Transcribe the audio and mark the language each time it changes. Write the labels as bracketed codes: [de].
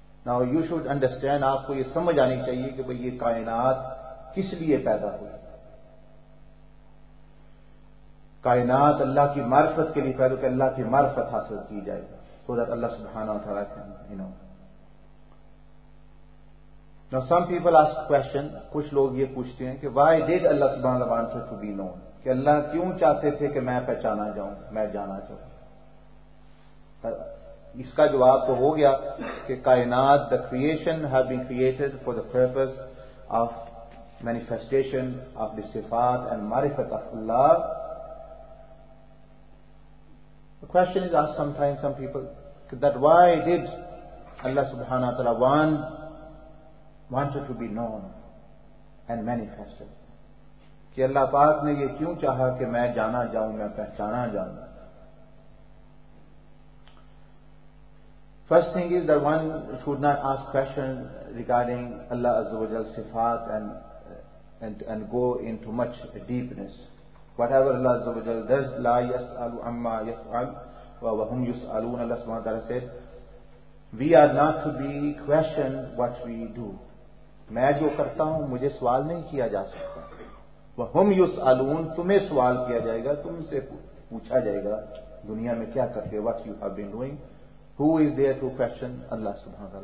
[en] Now you should understand, [ur] آپ کو یہ سمجھ آنی چاہیے کہ بھئی یہ کائنات کس لیے پیدا ہوئی. کائنات اللہ کی معرفت کے لیے پیدا ہوئی کہ اللہ کی معرفت حاصل کی جائے. [en] So that Allah سبحانہ و تعالیٰ can, you know. Now some people ask question, [ur] کچھ لوگ یہ پوچھتے ہیں کہ [en] why did Allah سبحانہ و تعالیٰ to be known, [ur] کہ اللہ کیوں چاہتے تھے کہ میں پہچانا جاؤں, میں جانا چاہوں. اس کا جواب تو ہو گیا کہ کائنات, [en] the creation have been created for the purpose of manifestation of the صفات and معرفت of Allah. The question is asked sometimes, some people, that why did Allah subhanahu wa ta'ala wanted to be known and manifested, [ur] کہ اللہ پاک نے یہ کیوں چاہا کہ میں جانا جاؤں, میں پہچانا جاؤں. [en] First thing is that one should not ask questions regarding Allah Azza wa Jalla's sifat and go into much deepness. Whatever Allah Azza wa Jalla does, [ar] لا يسأل عما يفعل وهم يسألون. [en] Allah Subhanahu wa Taala said, we are not to be questioned what we do. [ur] میں جو کرتا ہوں مجھے سوال نہیں کیا جا سکتا. [ar] وهم يسألون, [ur] تمہیں سوال کیا جائے گا, تم سے پوچھا جائے گا دنیا میں کیا کرتے ہو, [en] what you have been doing. Who is there to question Allah subhanahu wa ta'ala?